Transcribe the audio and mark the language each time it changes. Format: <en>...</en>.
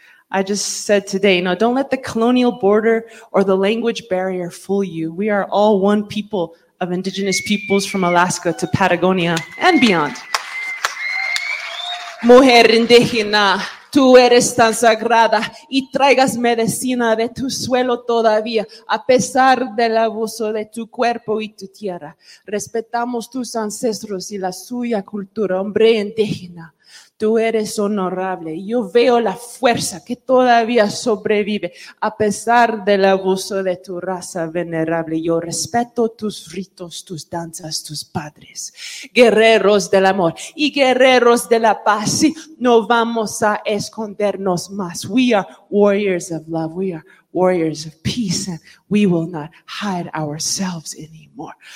<en>I just said today, no, don't let the colonial border or the language barrier fool you. We are all one people of indigenous peoples from Alaska to Patagonia and beyond.</en> <es>Mujer indígena, tú eres tan sagrada y traigas medicina de tu suelo todavía a pesar del abuso de tu cuerpo y tu tierra. Respetamos tus ancestros y la suya cultura, hombre indígena. Tú eres honorable. Yo veo la fuerza que todavía sobrevive a pesar del abuso de tu raza venerable. Yo respeto tus ritos, tus danzas, tus padres. Guerreros del amor y guerreros de la paz. Sí, no vamos a escondernos más.</es> <en>We are warriors of love. We are warriors of peace. And we will not hide ourselves anymore.</en>